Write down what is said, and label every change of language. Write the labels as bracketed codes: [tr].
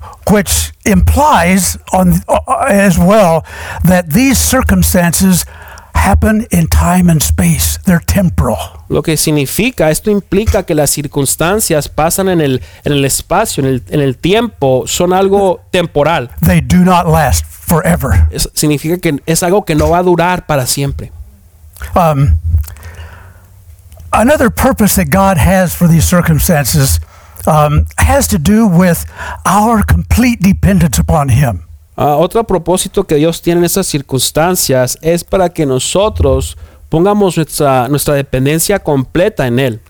[en] Which implies on as well that these circumstances happen in time and space. They're temporal. [es] Lo que significa, esto implica que las circunstancias pasan en el espacio, en el tiempo, son algo temporal. [en] They do not last forever. [es] Significa que es algo que no va a durar para siempre. [en] Another purpose that God has for these circumstances has to do with our complete dependence upon Him. [es] Otro propósito que Dios tiene en esas circunstancias es para que nosotros pongamos nuestra dependencia completa en Él.